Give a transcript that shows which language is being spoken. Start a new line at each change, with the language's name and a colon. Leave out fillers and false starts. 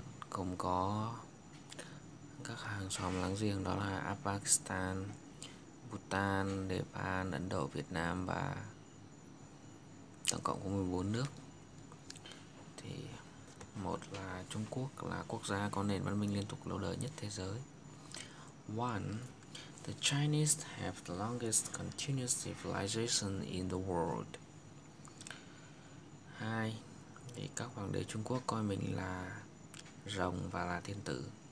Vietnamese: Cũng có các hàng xóm láng giềng, đó là Afghanistan, Bhutan, Nepal, Ấn Độ, Việt Nam, và tổng cộng có 14 nước. Thì một là Trung Quốc là quốc gia có nền văn minh liên tục lâu đời nhất thế giới.
English: One, the Chinese have the longest continuous civilization in the world.
Vietnamese: Hai, thì các hoàng đế Trung Quốc coi mình là rồng và là thiên tử.